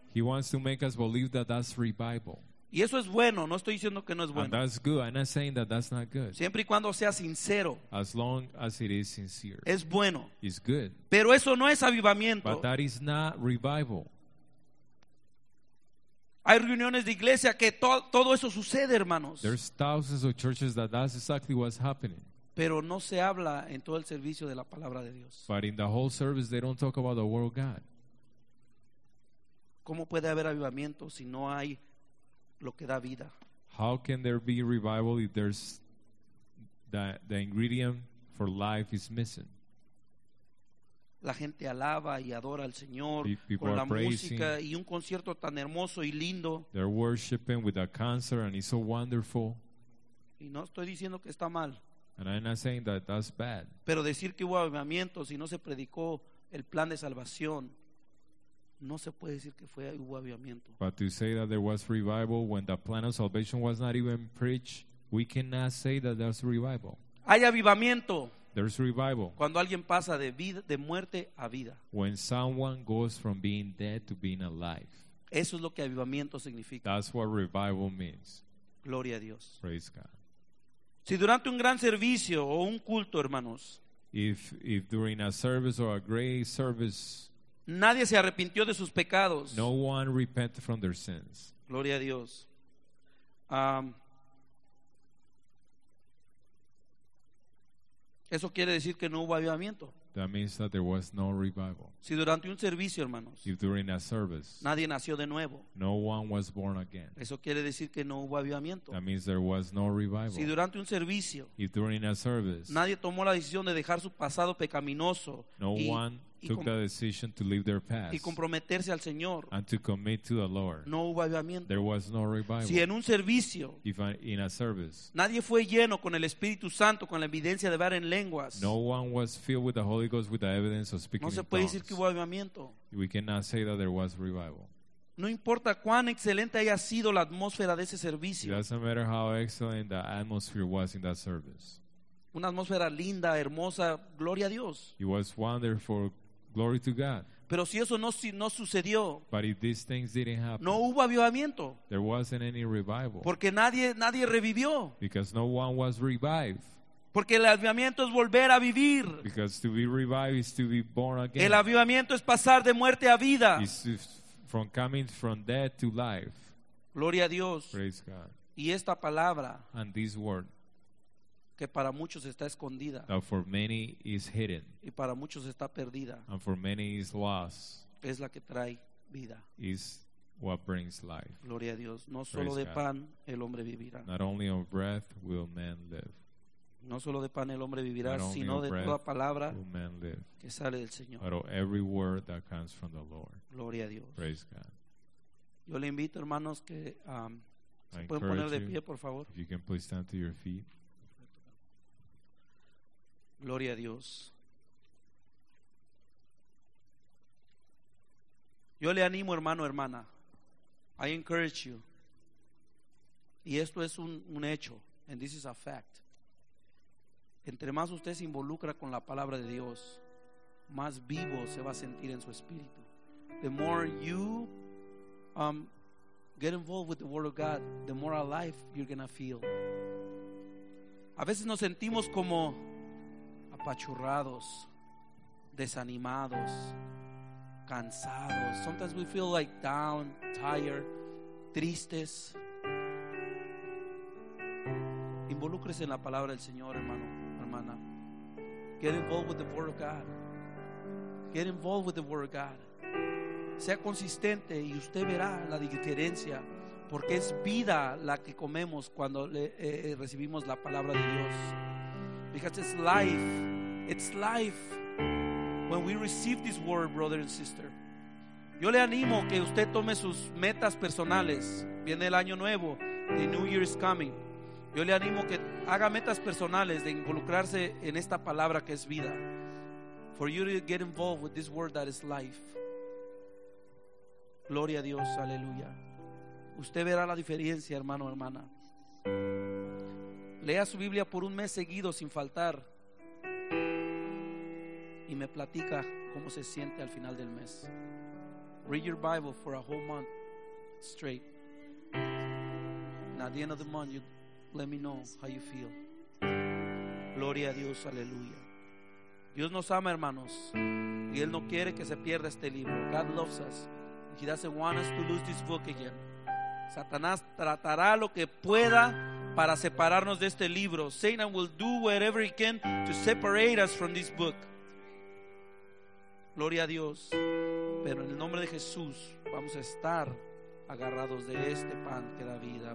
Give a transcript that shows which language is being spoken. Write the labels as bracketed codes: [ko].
[en] He wants to make us believe that that's revival. [es] Y eso es bueno, no estoy diciendo que no es bueno. [en] And that's good. I'm not saying that that's not good. [es] Siempre y cuando sea sincero. [en] As long as it is sincere. [es] Es bueno. [en] It's good. [es] Pero eso no es avivamiento. [en] But that is not revival. [es] Hay reuniones de iglesia que todo eso sucede, hermanos. [en] There's thousands of churches that that's exactly what's happening. [es] Pero no se habla en todo el servicio de la palabra de Dios. [en] But in the whole service they don't talk about the word of God. [es] ¿Cómo puede haber avivamiento si no hay lo que da vida? [en] How can there be revival if there's the ingredient for life is missing? [es] La gente alaba y adora al Señor con la música y un concierto tan hermoso y lindo. [en] They're worshiping with a concert and it's so wonderful. [es] Y no estoy diciendo que está mal. [en] And I'm not saying that that's bad. [es] Pero decir que hubo avivamiento si no se predicó el plan de salvación. No se puede decir que fue hubo avivamiento. [en] But to say that there was revival when the plan of salvation was not even preached, we cannot say that there's revival. [es] Hay avivamiento. [en] There's revival. [es] Cuando alguien pasa de vida, de muerte a vida. [en] When someone goes from being dead to being alive. [es] Eso es lo que avivamiento significa. [en] That's what revival means. [es] Gloria a Dios. [en] Praise God. [es] Si durante un gran servicio o un culto, hermanos. [en] If during a service or a great service. [es] Nadie se arrepintió de sus pecados. [en] No one repented from their sins. [es] Gloria a Dios. Eso quiere decir que no hubo avivamiento. [en] That means that there was no revival. [es] Si durante un servicio, hermanos. [en] If during a service. [es] Nadie nació de nuevo. [en] No one was born again. [es] Eso quiere decir que no hubo avivamiento. [en] That means there was no revival. [es] Si durante un servicio. [en] If during a service. [es] Nadie tomó la decisión de dejar su pasado pecaminoso. [en] No one took the decision to leave their past [es] y comprometerse al Señor. [en] And to commit to the Lord. [es] No hubo avivamiento. [en] There was no revival. [es] Si en un servicio, [en] if I, in a service, [es] nadie fue lleno con el Espíritu Santo con la evidencia de hablar en lenguas. [en] No one was filled with the Holy Ghost with the evidence of speaking tongues. [es] No se puede decir que hubo avivamiento. [en] We cannot say that there was revival. [es] No importa cuán excelente haya sido la atmósfera de ese servicio. [en] It doesn't matter how excellent the atmosphere was in that service. [es] Una atmósfera linda, hermosa, gloria a Dios. [en] It was wonderful. Glory to God. [es] Pero si eso no sucedió, [en] but if these things didn't happen, [es] no hubo avivamiento. [en] There wasn't any revival. [es] Porque nadie revivió. [en] Because no one was revived. [es] Porque el avivamiento es volver a vivir. [en] Because to be revived is to be born again. [es] El avivamiento es pasar de muerte a vida. [en] It's from coming from death to life. [es] Gloria a Dios. [en] Praise God. [es] Y esta palabra, [en] and this word, [es] que para muchos está escondida. [en] That for many is hidden. [es] Y para muchos está perdida. [en] And for many is lost. [es] Es la que trae vida. [en] Is what brings life. [es] Gloria a Dios. No solo de pan el hombre vivirá. [en] Not only of breath will man live. [es] No solo de pan el hombre vivirá, sino de toda palabra que sale del Señor. [en] But of every word that comes from the Lord. [es] Gloria a Dios. [en] Praise God. [es] Yo le invito, hermanos, que se pueden poner de pie, por favor. [en] If you can please stand to your feet. [es] Gloria a Dios. Yo le animo, hermano, hermana. [en] I encourage you. [es] Y esto es un hecho. [en] And this is a fact. [es] Entre más usted se involucra con la palabra de Dios, más vivo se va a sentir en su espíritu. [en] The more you get involved with the word of God, the more alive you're going to feel. [es] A veces nos sentimos como apachurrados, desanimados, cansados. [en] Sometimes we feel like down, tired, [es] tristes. Involúcrese en la palabra del Señor, hermano, hermana. [en] Get involved with the word of God. Get involved with the word of God. [es] Sea consistente y usted verá la diferencia, porque es vida la que comemos cuando recibimos la palabra de Dios. [en] Because it's life. It's life when we receive this word, brother and sister. [es] Yo le animo que usted tome sus metas personales. Viene el año nuevo, [en] the new year is coming. [es] Yo le animo que haga metas personales de involucrarse en esta palabra que es vida. [en] For you to get involved with this word that is life. [es] Gloria a Dios, aleluya. Usted verá la diferencia, hermano, hermana. Lea su Biblia por un mes seguido sin faltar y me platica cómo se siente al final del mes. [en] Read your Bible for a whole month straight. And at the end of the month, you let me know how you feel. [es] Gloria a Dios, aleluya. Dios nos ama, hermanos, y Él no quiere que se pierda este libro. [en] God loves us. He doesn't want us to lose this book again. [es] Satanás tratará lo que pueda para separarnos de este libro. [en] Satan will do whatever he can to separate us from this book. [es] Gloria a Dios. Pero en el nombre de Jesús vamos a estar agarrados de este pan que da vida.